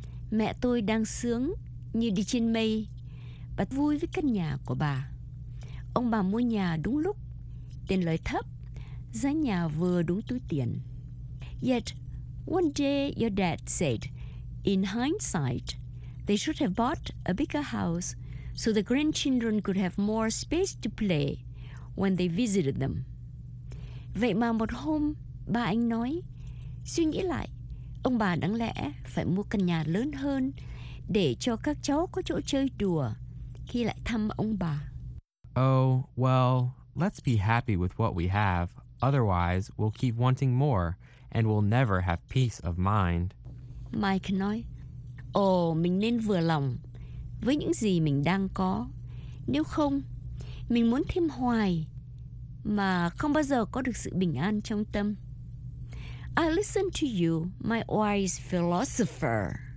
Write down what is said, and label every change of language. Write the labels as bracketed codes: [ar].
[vi] Mẹ tôi đang sướng như đi trên mây. Bà vui với căn nhà của bà. Ông bà mua nhà đúng lúc, tiền lời thấp, giá nhà vừa đúng túi tiền. [en] Yet, one day your dad said, in hindsight, they should have bought a bigger house so the grandchildren could have more space to play when they visited them. [vi] Vậy mà một hôm, ba anh nói, suy nghĩ lại, ông bà đáng lẽ phải mua căn nhà lớn hơn để cho các cháu có chỗ chơi đùa khi lại thăm ông bà. [en] Oh, well, let's be happy with what we have. Otherwise, we'll keep wanting more and we'll never have peace of mind. [vi] Mike nói, ồ, mình nên vừa lòng với những gì mình đang có. Nếu không, mình muốn thêm hoài mà không bao giờ có được sự bình an trong tâm. [en] I listen to you, my wise philosopher.